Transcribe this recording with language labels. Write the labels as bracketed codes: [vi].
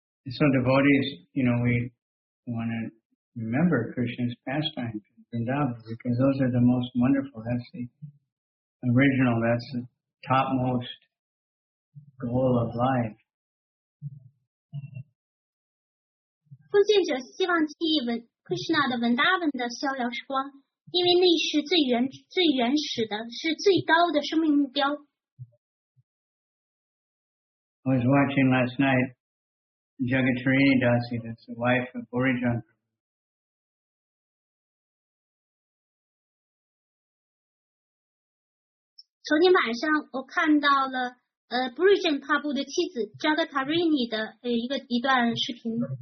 [en] So devotees, you know, we want to remember Krishna's pastime in Vrindavan because those are the most wonderful. That's the original, that's the topmost goal of life. [zh] 奉献者希望记忆文Krishna的文达文的逍遥时光, 因为那是最原始的, 是最高的生命目标。 [en] I was watching last night Jagatarini Dasi, that's the wife of Borijan. [zh] Borijan Prabhu的妻子, Jagatarini的一段视频。